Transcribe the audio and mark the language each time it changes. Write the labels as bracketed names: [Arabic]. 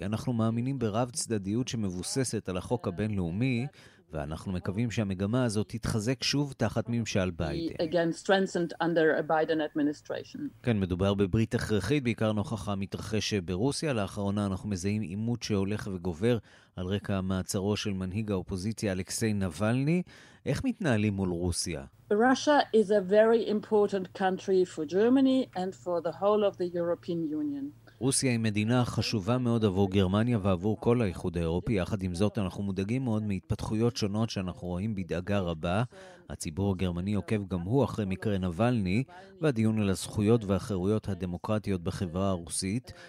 [Hebrew] אנחנו מאמינים ברב צדדיות שמבוססת על החוק הבינלאומי, ואנחנו מקווים שהמגמה הזאת תתחזק שוב תחת ממשל ביידן. [English] Again strengthened under a Biden administration. [Hebrew] כן, מדובר בברית הכרחית, בעיקר נוכח המתרחש ברוסיה. לאחרונה אנחנו מזהים עימות שהולך וגובר על רקע מעצרו של מנהיג האופוזיציה אלכסיי נבלני. איך מתנהלים מול רוסיה? [English] Russia is a very important country for Germany and for the whole of the European Union. [Hebrew] רוסיה היא מדינה חשובה מאוד עבור גרמניה ועבור כל האיחוד האירופי. יחד עם זאת, אנחנו מודאגים מאוד מהתפתחויות שונות שאנחנו רואים בדאגה רבה. הציבור הגרמני עוקב גם הוא אחרי מקרה נבלני, והדיון על הזכויות והחירויות הדמוקרטיות בחברה הרוסית.